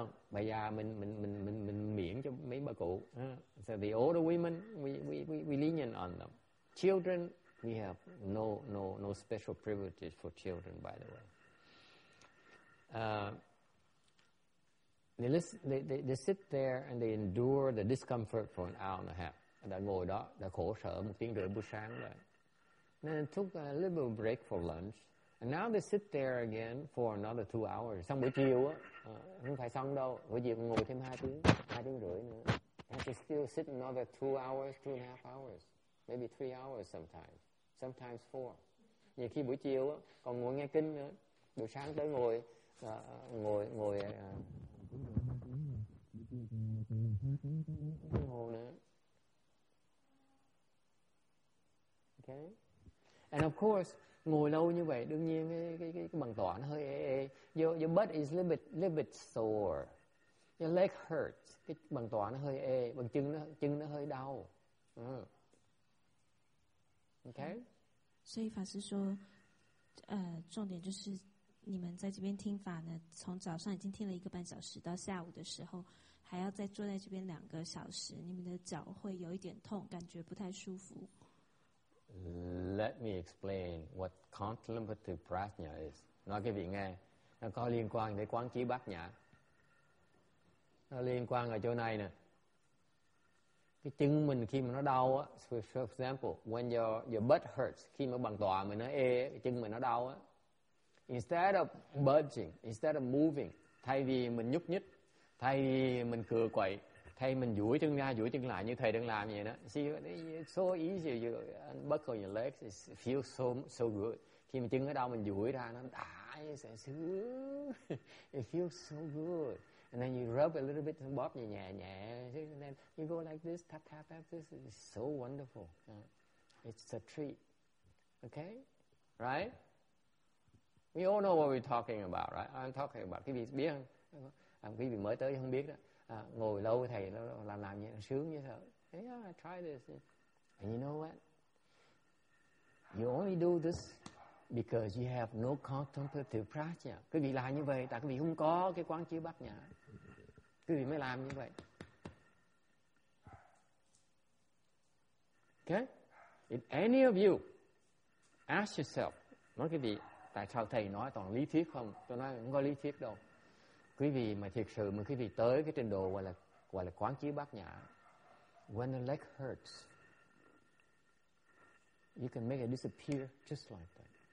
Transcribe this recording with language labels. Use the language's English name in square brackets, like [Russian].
[Vietnamese] Bây giờ mình miễn cho mấy bà cụ. [English] So the older women, we lenient on them. Children, we have no special privileges for children, by the way. They sit there and they endure the discomfort for an hour and a half. [Vietnamese] Đã ngồi đó, đã khổ sở 1:30 buổi sáng rồi. [English] Then they took a little break for lunch. And now they sit there again for another 2 hours. [Vietnamese] Xong buổi chiều á, không phải xong đâu. Buổi chiều ngồi thêm 2 tiếng rưỡi nữa. [English] And they still sit another 2 hours, 2.5 hours. Maybe 3 hours sometimes. Sometimes 4. [Vietnamese] Nhiều khi buổi chiều á, còn ngồi nghe kinh nữa. Buổi sáng tới ngồi, ngồi nữa. [English] Okay. And of course, [Vietnamese] ngồi lâu như vậy, đương nhiên cái bằng tỏa nó hơi ê. [English] Your butt is a little bit sore. Your leg hurts. [Vietnamese] Cái bằng tỏa nó hơi ê, bằng chân nó hơi đau. [English] Okay? [Chinese] 所以法师说，重点就是你们在这边听法呢，从早上已经听了一个半小时，到下午的时候还要再坐在这边2个小时，你们的脚会有一点痛，感觉不太舒服。 [English] Let me explain what contemplative prajna is. [Vietnamese] Nói cái vị nghe, nó có liên quan đến quán chiếu bát nhã. nó liên quan ở chỗ này nè. Cái chân mình khi mà nó đau á, [English] for example, when your butt hurts, [Vietnamese] khi mà bằng tòa mình nó ê, cái chân mình nó đau á, [English] instead of budging, instead of moving, [Vietnamese] thay vì mình nhúc nhích, thay vì mình cựa quậy, thay vì mình duỗi chân ra, duỗi chân lại như thầy đang làm vậy đó. [English] See, it's so easy, you buckle your legs, it feels so good. [Vietnamese] Khi mà chân nó đau, mình duỗi ra, nó đã, sẽ sướng. [English] It feels so good. And then you rub a little bit, [Vietnamese] bóp nhẹ nhẹ nhẹ. [English] And then you go like this, tap, tap, tap, this is so wonderful. It's a treat. Okay? Right? We all know what we're talking about, right? I'm talking about, [Vietnamese] quý vị biết không? Quý vị mới tới không biết đó. Ngồi lâu thầy nó làm như sướng như thế. [English] Hey, yeah, I try this. And you know what? You only do this because you have no contemplative practice. [Vietnamese] Quý vị làm như vậy, tại quý vị không có cái quán chiếu bát nhã. Quý vị mới làm như vậy. [English] Okay? If any of you ask yourself, [Vietnamese] nói quý vị, tại sao thầy nói toàn lý thuyết không? Tôi nói không có lý thuyết đâu. Quý vị mà thiệt sự mà quý vị tới cái trình độ gọi là quán chiếu bát nhã, [English] when the leg hurts, you can make it disappear just like that.